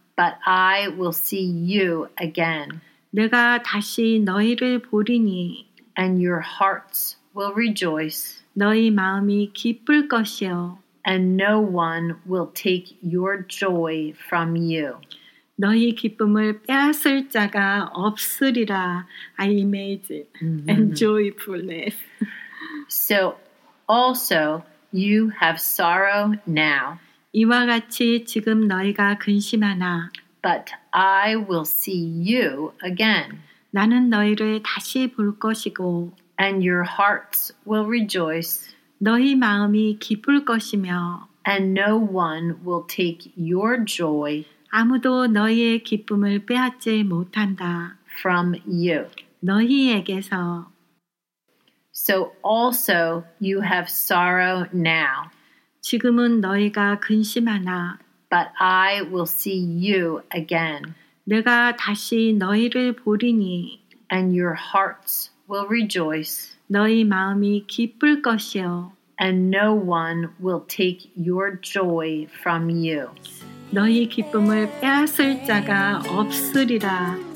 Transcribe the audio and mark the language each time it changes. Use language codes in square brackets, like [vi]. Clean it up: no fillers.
[en] But I will see you again. [ko] 내가 다시 너희를 보리니. [en] And your hearts will rejoice. [ko] 너희 마음이 기쁠 것이요. [en] And no one will take your joy from you. [ko] 너희 기쁨을 빼앗을 자가 없으리라. [en] I imagine. Mm-hmm. And joyfulness. So also you have sorrow now. [ko] 이와 같이 지금 너희가 근심하나. [en] But I will see you again. [ko] 나는 너희를 다시 볼 것이고 [en] And your hearts will rejoice. [ko] 너희 마음이 기쁠 것이며 [en] And no one will take your joy [ko] 아무도 너희의 기쁨을 빼앗지 못한다. [en] From you. [ko] 너희에게서 [en] So also you have sorrow now. [ko] 지금은 너희가 근심하나 [en] But I will see you again. [ko] 내가 다시 너희를 보리니 [en] And your hearts will rejoice. [ko] 너희 마음이 기쁠 것이요. [en] And no one will take your joy from you. [ko] 너희 기쁨을 빼앗을 자가 없으리라.